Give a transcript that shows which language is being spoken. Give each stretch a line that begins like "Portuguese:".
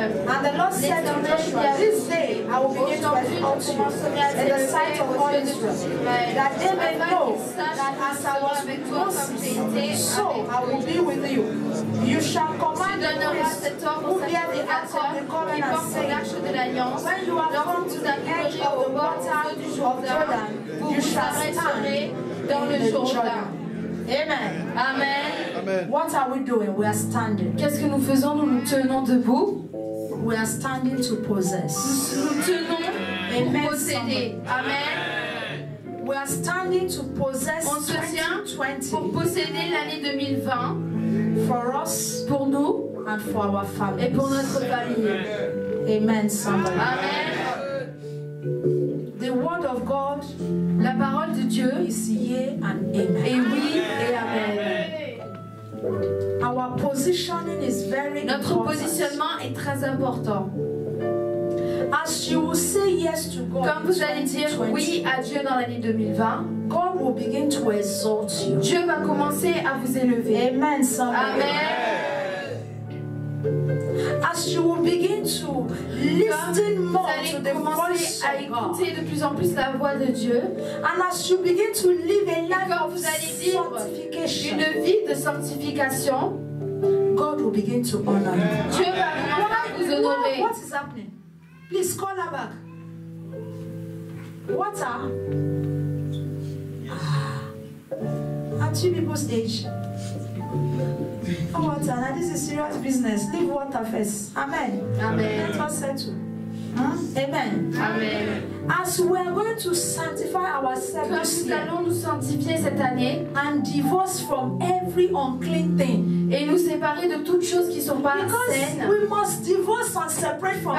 English: And the Lord said to Joshua, this day I will begin to exalt you in the sight of all Israel, that they may know that as I was with Moses, so I will be with you. You shall command the priests who bear the ark of the covenant, saying, when you are come to the edge of the water of Jordan, you shall stand in the Jordan. Amen. Amen. What are we doing? We are standing.
French: Qu'est-ce que nous faisons? Nous nous tenons debout.
English: We are standing to possess.
French: Nous tenons pour posséder. Amen.
English: We are standing to possess.
French: On se tient pour posséder l'année 2020.
English: For us,
French: pour nous,
English: and for our family,
French: et pour notre famille.
English: Amen, somebody. Amen. The word of God,
French: la parole de Dieu,
English: is yea and amen.
French: Et oui, et amen.
English: Our positioning is very important.
French: Notre positionnement est très important.
English: As you will say yes to God,
French: comme vous allez dire oui à Dieu dans l'année 2020,
English: God will begin to exalt you.
French: Dieu va commencer à vous élever.
English: Amen, somebody. Amen. As you will begin to listen more to the voice of God,
French: à écouter de plus en plus la voix de Dieu,
English: and as you begin to live a life of
French: sanctification, une vie de sanctification,
English: God will begin to honor you.
French: Dieu va commencer à vous honorer.
English: What is happening? Please call her back. What are? At you people's age. Water, now this is serious business. Leave water first. Amen. Amen. Let us settle. Amen. Amen. As we are going to sanctify ourselves,
French: nous allons nous sanctifier cette année,
English: and divorce from every unclean thing,
French: et nous séparer de toutes choses qui sont pas saines.
English: Because we must divorce and separate from